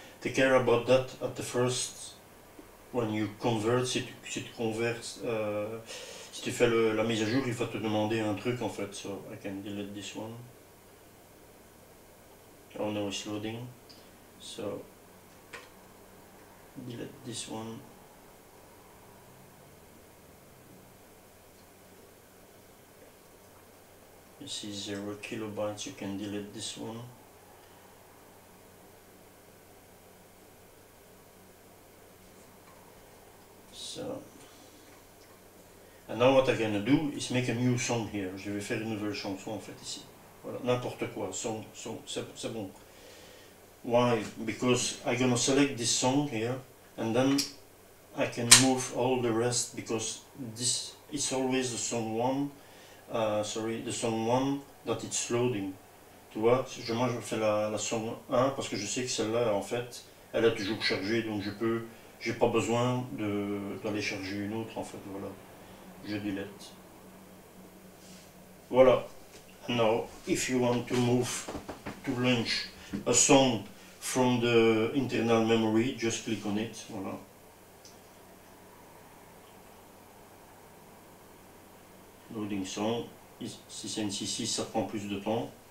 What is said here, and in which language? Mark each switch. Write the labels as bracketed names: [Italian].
[English] Take care about that at the first when you convert. [French] Si tu fais la mise à jour, il va te demander un truc en fait. [English] So I can delete this one. Oh no, it's loading. So delete this one. You see 0 kilobytes, you can delete this one. So, and now what I'm gonna do is make a new song here. [French] Je vais faire une nouvelle chanson en fait ici. Voilà, n'importe quoi, song, c'est bon. [English] Why? Because I'm gonna select this song here, and then I can move all the rest because this is always the song one. The song 1 that it's loading. [French] Tu vois, moi je fais la song 1 parce que je sais que celle-là, en fait, elle est toujours chargée, donc je peux, j'ai pas besoin d'aller charger une autre, en fait, voilà. Je delete. Voilà. [English] Now, if you want to move, to launch a song from the internal memory, just click on it, voilà. Loading song, [French] si c'est une 6-6, ça prend plus de temps.